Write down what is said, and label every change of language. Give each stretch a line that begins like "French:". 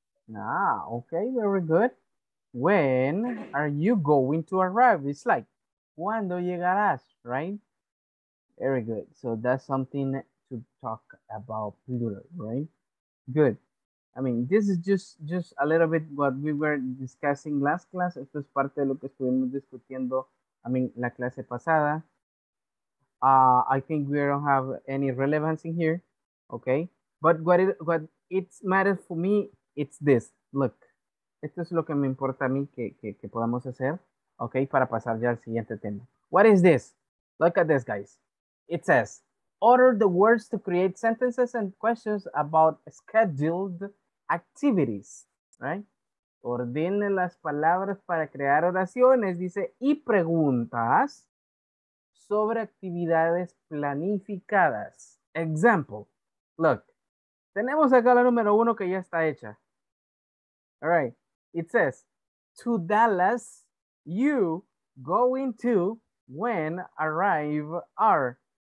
English: Okay, very good. When are you going to arrive? It's like,
Spanish: ¿cuándo llegarás,
English: right? Very good. So that's something to talk about plural, right? Good. I mean, this is just a little bit what we were discussing last class.
Spanish: Esto es parte de lo que estuvimos discutiendo,
English: I mean,
Spanish: la clase pasada.
English: I think we don't have any relevance in here, okay? But what it matters for me, it's this. Look,
Spanish: esto es lo que me importa a mí que podamos hacer,
English: okay,
Spanish: para pasar ya al siguiente tema.
English: What is this? Look at this, guys. It says, order the words to create sentences and questions about scheduled activities, right?
Spanish: Ordene las palabras para crear oraciones, dice, y preguntas sobre actividades planificadas.
English: Example, look,
Spanish: tenemos acá la número uno que ya está hecha.
English: All right, it says, to Dallas, you going to when arrive are.